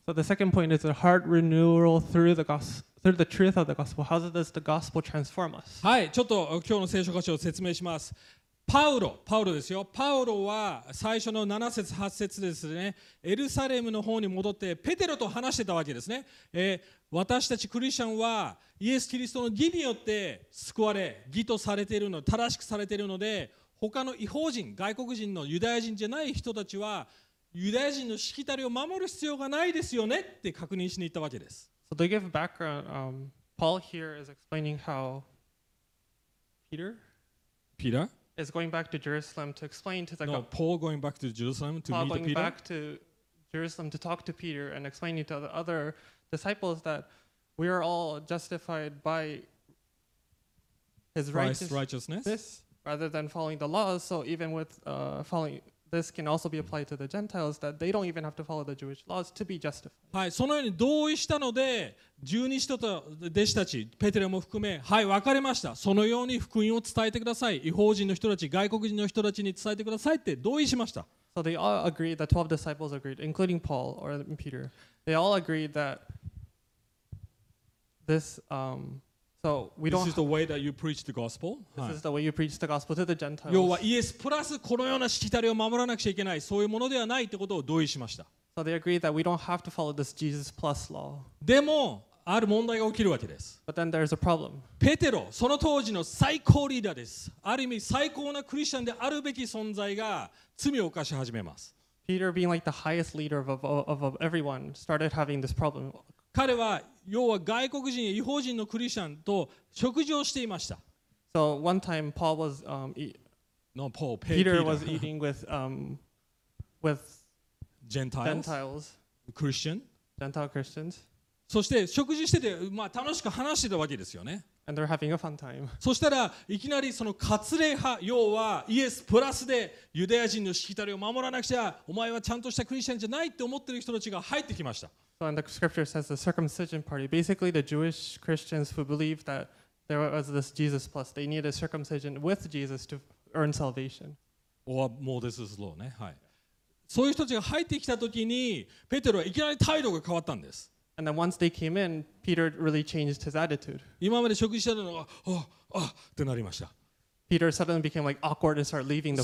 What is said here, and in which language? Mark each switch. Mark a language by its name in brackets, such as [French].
[English] So the second point is a heart renewal through the gospel. Through the truth of the gospel, how does the gospel transform us? [Japanese] はい、ちょっと今日の聖書箇所を説明します。パウロですよ。パウロは最初の7節8節ですね、エルサレムの方に戻ってペテロと話してたわけですね。私たちクリスチャンはイエス・キリストの義によって救われ、義とされているの、正しくされているので、他の異邦人、外国人のユダヤ人じゃない人たちはユダヤ人のしきたりを守る必要がないですよねって確認しに行ったわけです。 [English] So to give background, Paul here is explaining how Peter is going back to Jerusalem to explain to the Paul going back to Jerusalem to meet Peter. Paul going back to Jerusalem to talk to Peter and explaining to the other disciples that we are all justified by his righteousness rather than following the laws. So even with following This can also be applied to the Gentiles that they don't even have to follow the Jewish laws to be justified. [Japanese] はい、そのように同意したので、12使徒と弟子たち、ペテロも含め、はい、分かりました。そのように福音を伝えてください。異邦人の人たち、外国人の人たちに伝えてくださいって同意しました。 [English] So they all agreed, the 12 disciples agreed, including Paul or Peter. They all agreed that this, This is the way that you preach the gospel. This is the way you preach the gospel to the Gentiles. [Japanese] 要はイエスプラスこのようなしきたりを守らなくちゃいけない、そういうものではないってことを同意しました。 [English] So they agreed that we don't have to follow this Jesus plus law. [Japanese] でもある問題が起きるわけです。 [English] But then there's a problem. [Japanese] ペテロ、その当時の最高リーダーです。ある意味最高なクリスチャンであるべき存在が罪を犯し始めます。 [English] Peter being like the highest leader of everyone started having this problem. [Japanese] 彼は要は外国人や異邦人のクリスチャンと食事をしていました。 [English] So one time Paul was no Paul Peter, Peter was eating with with Gentiles Christian Gentile Christians。 [Japanese] そして食事してて、まあ、楽しく話してたわけですよね。 [English] And they're having a fun time。 [Japanese] そしたらいきなりその割礼派要はイエスプラスでユダヤ人のしきたりを守らなくちゃお前はちゃんとしたクリスチャンじゃないって思ってる人たちが入ってきました。 [English] So in the scripture says the circumcision party, basically the Jewish Christians who believe that there was this Jesus plus, they needed a circumcision with Jesus to earn salvation. Or Moses' law, ね、はい。 [Japanese] そういう人たちが入ってきた時に、ペテロはいきなり態度が変わったんです。 [English] And then once they came in, Peter really changed his attitude. [Japanese] 今まで食事してたのが、ってなりました。 [English] Peter suddenly became like awkward and started leaving the place.